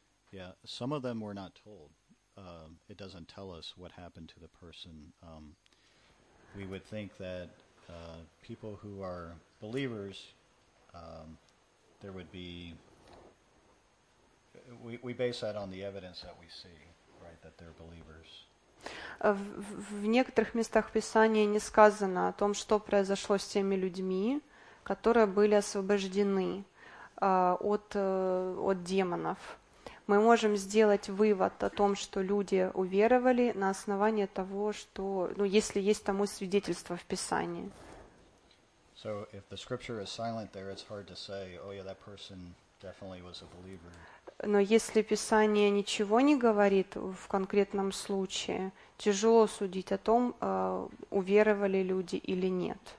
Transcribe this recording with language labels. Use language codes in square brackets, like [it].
[en] Yeah, some of them were not told. It doesn't tell us what happened to the person. We would think that people who are believers, there would be... We base that on the evidence that we see, right, that they're believers. [ru] В некоторых местах Писания не сказано о том, что произошло с теми людьми, которые были освобождены от демонов. Мы можем сделать вывод о том, что люди уверовали на основании того, что, ну, если есть тому свидетельство в Писании. [en] So if the scripture is silent there, it's hard to say, oh yeah, that person definitely was a believer. [ru] Но если Писание ничего не говорит в конкретном случае, тяжело судить о том, уверовали люди или нет.